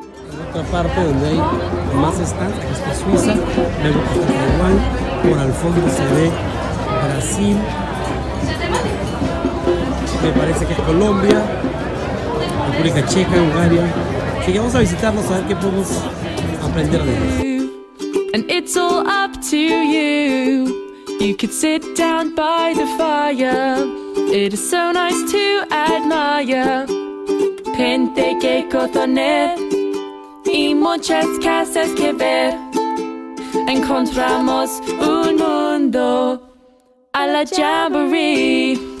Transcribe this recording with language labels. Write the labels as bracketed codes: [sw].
[es] En otra parte donde hay más stands, aquí está Suiza, luego está Taiwán, por al fondo se ve Brasil, me parece que es Colombia, República Checa, Hungría. Así que vamos a visitarlos a ver qué podemos aprender de ellos. [en] And it's all up to you. You could sit down by the fire. It is so nice to admire. [es] Gente que cotone y muchas casas que ver. Encontramos un mundo a la Jamboree.